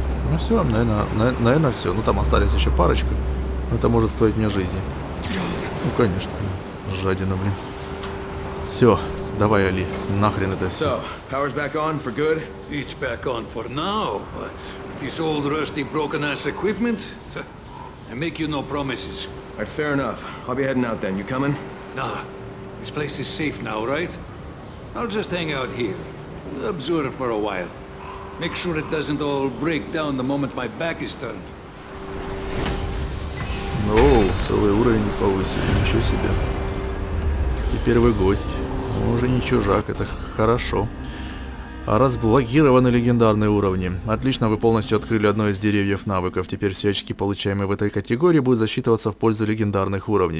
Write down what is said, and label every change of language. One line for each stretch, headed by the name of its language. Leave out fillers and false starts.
Russian: Ну все, наверное, все. Ну там остались еще парочка. Но это может стоить мне жизни. Ну конечно, жадина, блин. Все, давай, Али, нахрен это все.
English: So, power's back on for good? It's back on for now, but this old rusty broken ass equipment? I make you no promises. Alright, fair enough. I'll be heading out then. You coming? Nah. This place is safe now, right? I'll just hang out here. Observe for a while. Make sure it doesn't all break down the moment my back is turned.
Russian: No, целый уровень повысили, ничего себе. Теперь вы гость. Уже не чужак, это хорошо. Разблокированы легендарные уровни. Отлично, вы полностью открыли одно из деревьев навыков. Теперь все очки, получаемые в этой категории, будут засчитываться в пользу легендарных уровней.